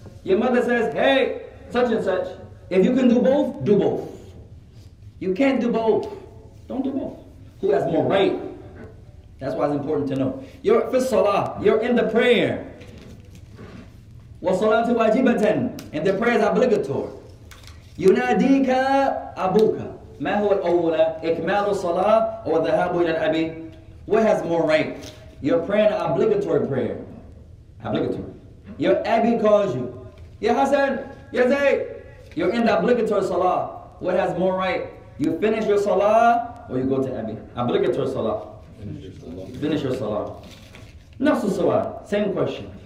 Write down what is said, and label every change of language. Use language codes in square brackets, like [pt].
[en] Your mother says, hey, such and such. If you can do both, do both. You can't do both, don't do both. Who has more right? That's why it's important to know. You're for salah, you're in the prayer. [ar] وَصَلَاتُ وَاجِبَةً [en] And the prayer is obligatory. [ar] يُنَادِيكَ أَبُوكَ مَا هُوَ الْأَوْلَى إِكْمَالُ الصَّلَاةُ وَذَهَابُ إِلَى الْأَبِي [en] What has more right? You're praying an obligatory prayer. Obligatory. Your abbey calls you. Ya Hassan, Ya Zayd. You're in the obligatory salah. What has more right? You finish your salah or you go to abbey? Obligatory salah. Finish your salah. Finish your salah. [ar] نفس السؤال. [en] Same question.